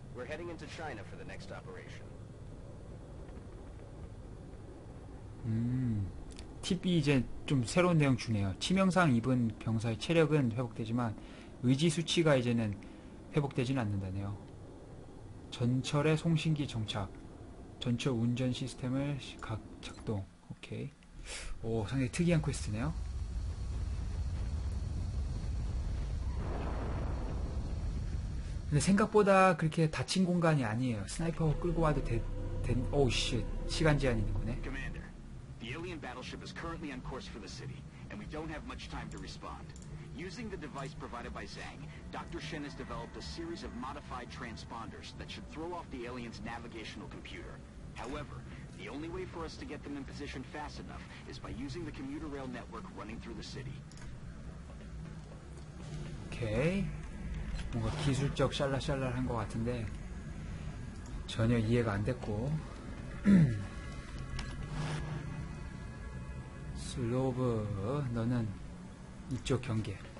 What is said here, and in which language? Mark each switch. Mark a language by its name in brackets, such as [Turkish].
[English] We're heading into China for the next operation. [Korean] 팁이 이제 좀 새로운 내용 주네요. 치명상 입은 병사의 체력은 회복되지만 의지 수치가 이제는 회복되지는 않는다네요. 전철에 송신기 정착. 전철 운전 시스템을 작동. 오케이. 오, 상당히 특이한 퀘스트네요. 근데 생각보다 그렇게 닫힌 공간이 아니에요. 스나이퍼 끌고 와도 된 오, 쉣. 시간 제한이 있는 거네. [English] Commander, the alien battleship is currently on course for the city, and we don't have much time to respond. Using the device provided by Zhang, Dr. Shen has developed a series of modified transponders that should throw off the alien's navigational computer. However, the only way for us to get them in position fast enough is by using the commuter rail network running through the city. Okay. [Korean] 뭔가 기술적 샬랄샬랄 한 것 같은데 전혀 이해가 안 됐고. 슬로브, 너는 이쪽 경계.